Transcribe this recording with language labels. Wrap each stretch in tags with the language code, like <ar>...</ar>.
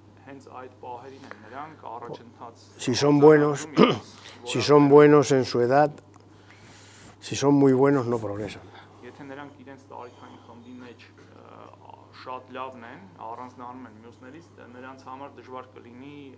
<hy>Հենց այդ պահերին են նրանք առաջընթաց։</hy> <es>Si son buenos, si son buenos en su edad, si son muy buenos no progresan.</es> <hy>Եթե նրանք իրենց տարիքային խմբի մեջ շատ լավն են, առանձնանում են մյուսներից, նրանց համար դժվար կլինի</hy>